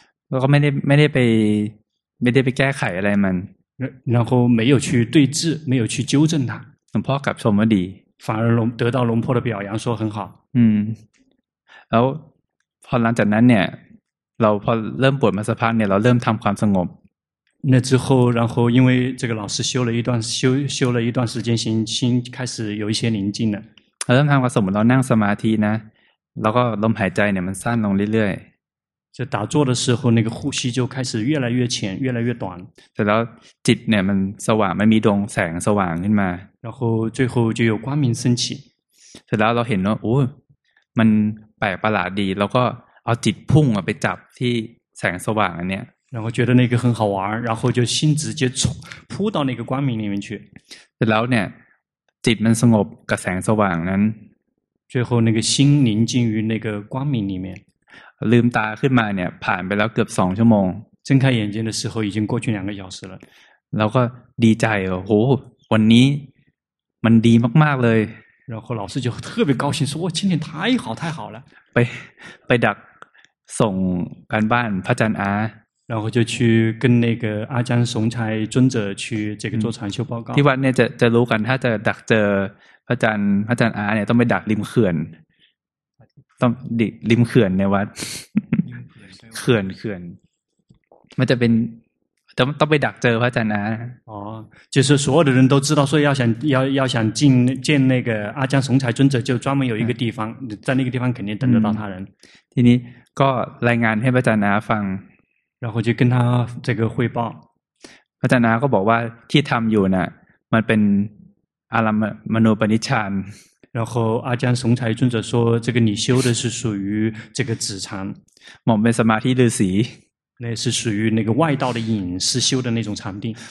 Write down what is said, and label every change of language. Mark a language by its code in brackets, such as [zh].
[th] แล้วก็ไม่ได้ไปแก้ไขอะไรมัน [zh] 然后没有去对治没有去纠正它 [th] หลวงพ่อกลับชมว่าดี [zh] 反而得到龙婆的表扬说很好 [th] แล้วพอหลังจากนั้นเนี่ยเราพอเริ่มปวดมาสักพักเนี่ยเราเริ่มทำความสงบ [zh] 那之后然后因为这个老师修了一段修了一段时间心开始有一些宁静了 [th] เริ่มทำความสงบเรานั่งสมาธินะแล้วก็ลมหายใจเนี่ยมันสั้นลงเรื่อยๆ [zh] 就打坐的时候那个呼吸就开始越来越浅越来越短 [th] แต่แล้วจิตเนี่ยมันสว่างมันมีดวงแสงสว่างขึ้นมา [zh] 然后最后就有光明升起 [th] แต่แล้วเราเห็นว่าโอ้มันแปลกประหลาดดีแล้วก็เอาจิตพุ่งไปจับที่แสงสว่างอันเนี้ย [zh] 然后觉得那个很好玩然后就心直接扑到那个光明里面去 [th] เสร็จแล้วเนี่ยจิตมันสงบกับแสงสว่างนั้น [zh] 最后那个心宁静于那个光明里面 [th] ลืมตาขึ้นมาเนี่ยผ่านไปแล้วเกือบ2ชั่วโมง [zh] 睁开眼睛的时候已经过去两个小时了 [th] แล้วก็ดีใจโอ้โหวันนี้มันดีมากๆเลย [zh] 然后老师就特别高兴说哇今天太好太好了 [th] ไปดักส่งการบ้านพระอาจารย์อา [zh] 然后就去跟那个阿江松才尊者去这个做禅修报告 [th] ที่วันเนี่ยจะรู้กันถ้าจะดักเจอพระอาจารย์อาเนี่ยต้องไปดักริมเขื่อนต้องดิริมเขื่อนในวัดเขื่อนมันจะเป็นต้องไปดักเจอพระอาจารย์นะ [zh] อ๋อ就是所有的人都知道说要想进见那个阿江松才尊者就专门有一个地方在那个地方肯定等得到他人 [th] ทีนี้ก็รายงานให้พระอาจารย์นะฟัง [zh] 然后就跟他这个汇报 [th] พระอาจารย์นะก็บอกว่าที่ทำอยู่น่ะมันเป็นอารมณ์มโนปนิชฌาน [zh] 然后阿江松才尊者说这个你修的是属于这个止禅 [th] หมอบเป็นสมาธิฤาษี [zh] 那是属于那个外道的隐士修的那种禅定